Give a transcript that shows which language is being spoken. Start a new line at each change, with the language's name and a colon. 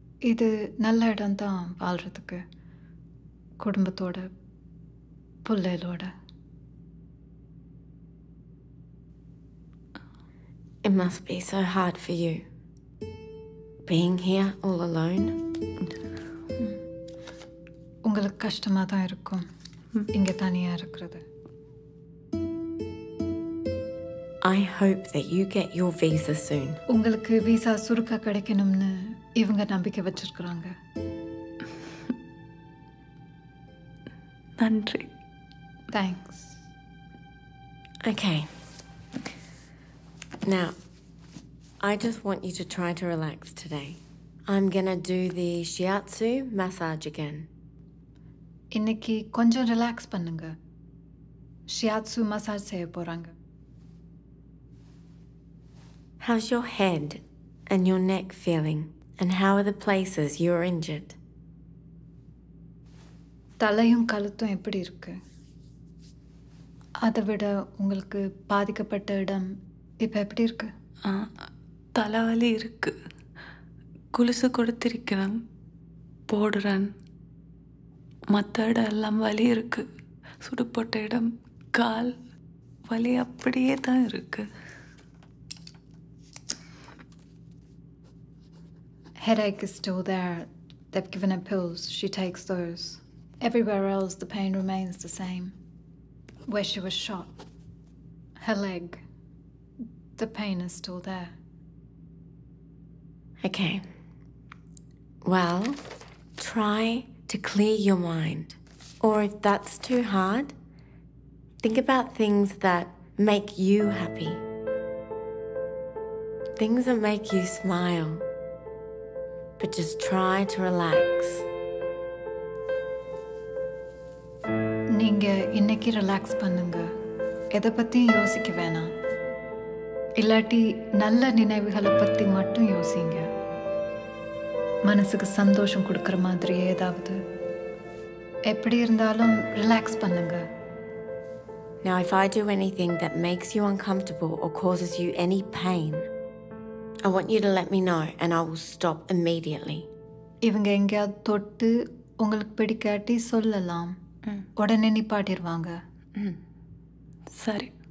Tamil: இது நல்ல இடம் தான் வாழ்கிறதுக்கு குடும்பத்தோட பிள்ளைகளோட.
English: It must be so hard for you, being here all alone.
Tamil: உங்களுக்கு கஷ்டமாக தான் இருக்கும் இங்கே தனியாக இருக்கிறது.
English: I hope that you get your visa soon.
Tamil: உங்களுக்கு விசா சுருக்கா கிடைக்கணும்னு இவங்க நம்பிக்கை வச்சிருக்கிறாங்க. நன்றி.
English: Thanks. Okay. Now, I just want you to try to relax today. I'm gonna do the shiatsu massage again.
Tamil: இன்னைக்கு கொஞ்சம் ரிலாக்ஸ் பண்ணுங்க. ஷியாட்சு மசாஜ் செய்ய போறாங்க.
English: How's your head and your neck feeling? And how are the places you're injured?
Tamil: தலையும் கழுத்தும் எப்படி இருக்கு? அதை விட உங்களுக்கு பாதிக்கப்பட்ட இடம் இப்போ எப்படி இருக்கு? தலைவலி இருக்கு. குலுசு கொடுத்திருக்கிறேன், போடுறேன். மற்ற இடம் எல்லாம் வலி இருக்கு. சுடுப்பட்ட இடம் கால் வலி அப்படியே தான் இருக்கு.
English: Headache is still there. They've given her pills. She takes those. Everywhere else, the pain remains the same. Where she was shot, her leg, the pain is still there. Okay. Well, try to clear your mind. Or if that's too hard, think about things that make you happy. Things that make you smile. But just try to relax.
Tamil: நீங்க இன்னைக்கு relax பண்ணுங்க. எதை பத்தியும் யோசிக்க வேணாம். இல்லாட்டி நல்ல நினைவுகளை பத்தி மட்டும் யோசிங்க. மனசுக்கு சந்தோஷம் கொடுக்கற மாதிரி ஏதாவது. எப்படி இருந்தாலும் ரிலாக்ஸ் பண்ணுங்க.
English: Now if I do anything that makes you uncomfortable or causes you any pain, I want you to let me know and I will stop immediately.
Tamil: இவங்க எங்கயா தொட்டு உங்களுக்கு பிடிக்காட்டி சொல்லலாம். உடனே நிப்பாட்டிடுவாங்க. சரி.